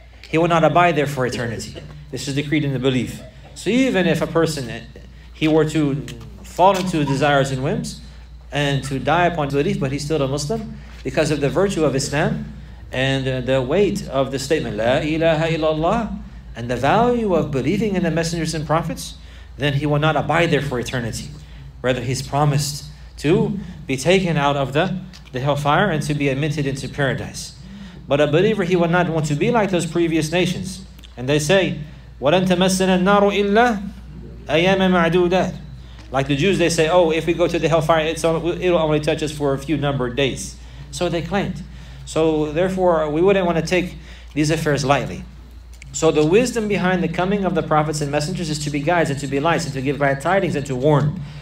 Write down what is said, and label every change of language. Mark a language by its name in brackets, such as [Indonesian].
[English] He will not abide there for eternity. This is the creed and the belief. So even if a person, he were to fall into desires and whims and to die upon belief, but he's still a Muslim because of the virtue of Islam and the weight of the statement, La ilaha illallah, and the value of believing in the messengers and prophets, then he will not abide there for eternity. Rather, he's promised to be taken out of the hellfire and to be admitted into paradise. But a believer, he will not want to be like those previous nations. And they say, [Arabic] وَلَن تَمَسَّنَ النَّارُ إِلَّا أَيَامًا مَعْدُودَةً. [English] Like the Jews, they say, oh, if we go to the hellfire, it'll only touch us for a few numbered days. So they claimed. So therefore, we wouldn't want to take these affairs lightly. So the wisdom behind the coming of the prophets and messengers is to be guides and to be lights and to give glad tidings and to warn.